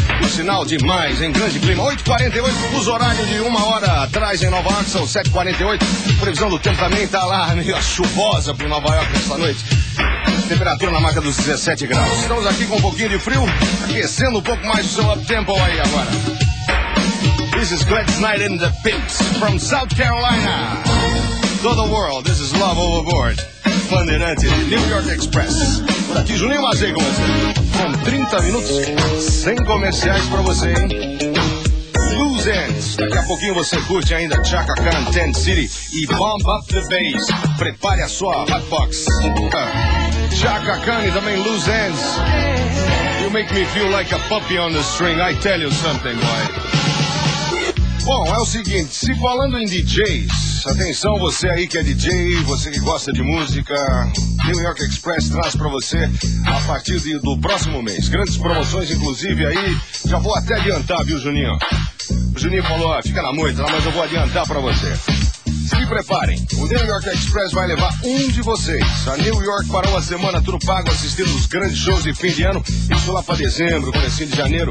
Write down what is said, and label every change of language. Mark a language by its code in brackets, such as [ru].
[pt] Por sinal, demais, em grande clima. 8h48, fuso horário de uma hora atrás em Nova York, são 7h48. Previsão do tempo também tá lá, meio chuvosa pro Nova York essa noite. Temperatura na marca dos 17 graus. Estamos aqui com um pouquinho de frio, aquecendo um pouco mais o seu up-tempo aí agora. [en] This is Glenn Snyder and the Pimps, from South Carolina. To the world, this is Love Overboard. [pt] Bandeirante, New York Express. Por aqui, Juninho Mazei com você. Com 30 minutos, sem comerciais pra você, hein? Loose Ends. Daqui a pouquinho você curte ainda Chaka Khan, Tent City e Bump Up the Bass. Prepare a sua hotbox. Chaka Khan e também Loose Ends. [en] You make me feel like a puppy on the string. I tell you something, boy. [pt] Bom, é o seguinte, se falando em DJs, atenção você aí que é DJ, você que gosta de música, New York Express traz pra você a partir do próximo mês. Grandes promoções, inclusive, aí, já vou até adiantar, viu, Juninho? O Juninho falou, ó, fica na moita, mas eu vou adiantar pra você. Se preparem, o New York Express vai levar um de vocês a New York para uma semana, tudo pago, assistindo os grandes shows de fim de ano, isso lá para dezembro, comecinho de janeiro.